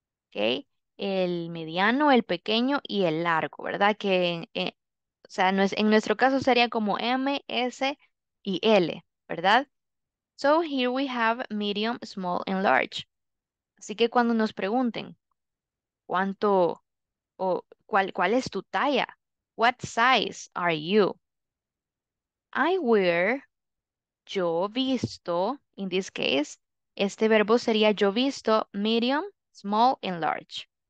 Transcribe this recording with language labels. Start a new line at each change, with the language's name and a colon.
Spanish: Okay, el mediano, el pequeño y el largo, ¿verdad? Que, o sea, en nuestro caso sería como M, S y L, ¿verdad?
English: So here we have medium, small, and large.
Spanish: Así que cuando nos pregunten, ¿cuánto o cuál es tu talla?
English: What size are you? I wear,
Spanish: yo visto,
English: in this case,
Spanish: este verbo sería yo visto,
English: medium, small, and large.